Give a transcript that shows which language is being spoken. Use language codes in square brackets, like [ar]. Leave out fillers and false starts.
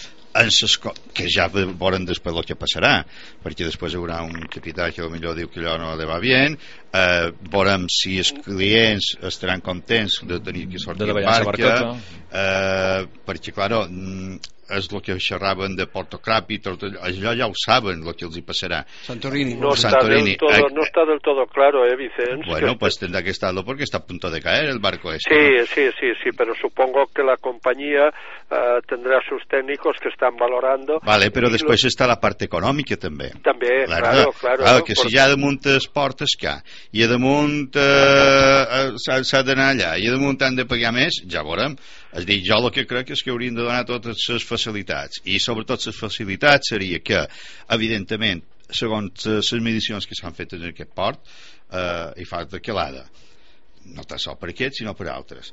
[ca] que ja veurem després el que passarà, perquè després hi haurà un capità que potser diu que allò no li va bé, Veurem si els clients estaran contents de tenir que sortir de la barca, perquè claro, és el que xerraven de Portocrapi, allò ja ho saben el que els hi passarà. Santorini, no, Santorini. [es] Está del todo, no está del todo claro, Vicenç. Bueno, pues tendrá que estarlo porque está a punto de caer el barco este. Sí, ¿no? Sí, sí, sí, pero supongo que la compañía tendrá sus técnicos que están valorando. Vale, pero después está la parte económica també. También, claro, claro, claro. [ca] Claro, que si ja damunt es portes que i damunt s'ha d'anar allà i damunt han de pagar més, ja veurem. És a dir, jo el que crec és que haurien de donar totes les facilitats, i sobretot les facilitats seria que, evidentment, segons les medicions que s'han fet en aquest port, hi fa d'aquelada, no tan sol per aquest, sinó per altres.